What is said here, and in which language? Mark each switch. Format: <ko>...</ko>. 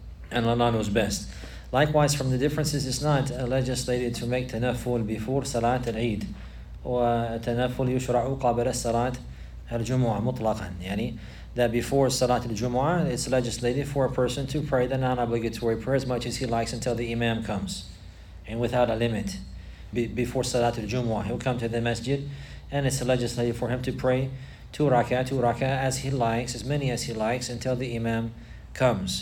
<en>And Allah knows best. Likewise, from the differences, it's not legislated to make tanafful before Salat al-Eid.</en> <ar>وَتَنَفُّلْ يُشْرَعُ قَبْلَ Salat al-Jumu'ah مُطْلَقًا.</ar> <en>Yani, that before Salat al-Jumu'ah, it's legislated for a person to pray the non-obligatory prayer as much as he likes until the Imam comes, and without a limit. Before Salat al-Jumu'ah, he'll come to the masjid, and it's legislated for him to pray two rak'ah as he likes, as many as he likes, until the Imam comes.</en>